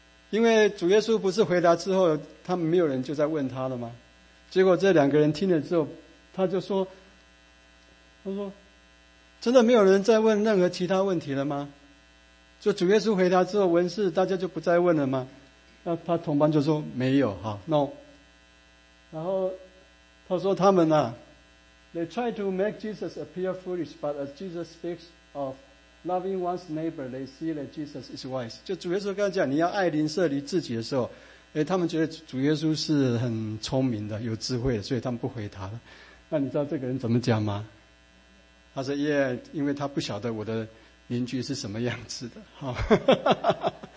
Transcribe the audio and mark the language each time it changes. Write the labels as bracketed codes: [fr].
[zh] 因为主耶稣不是回答之后他们没有人就在问他了吗？结果这两个人听了之后，他说真的没有人在问任何其他问题了吗？就主耶稣回答之后，文士大家就不再问了吗？那他同伴就说没有哈 no。然后他说他们 [en] they try to make Jesus appear foolish, but as Jesus speaks ofloving one's neighbor, they see that Jesus is wise. [zh] 就主耶稣跟他讲你要爱邻舍离自己的时候，他们觉得主耶稣是很聪明的，有智慧的，所以他们不回答了。那你知道这个人怎么讲吗？他说 yeah, 因为他不晓得我的邻居是什么样子的。